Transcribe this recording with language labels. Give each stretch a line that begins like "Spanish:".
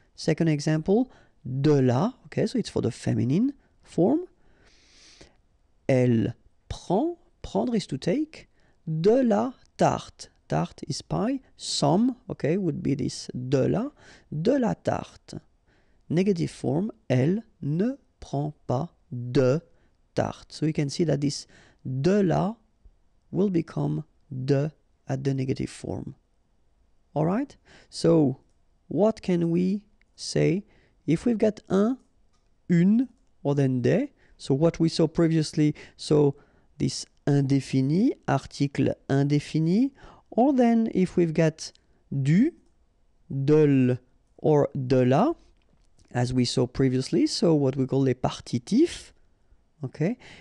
English: Second example, de la, okay? So it's for the feminine form.
French: Elle prend. Prendre
English: is to take,
French: de la tarte.
English: Tarte is pie, some, okay, would be this
French: de la tarte.
English: Negative form,
French: elle ne prend pas de tarte.
English: So you can see that this de la will become de at the negative form. All right? So what can we say if we've got un, une, or then de? So what we saw previously, so this indéfini, article indéfini, or then if we've got du, de l, or de la, as we saw previously, so what we call les partitifs, okay?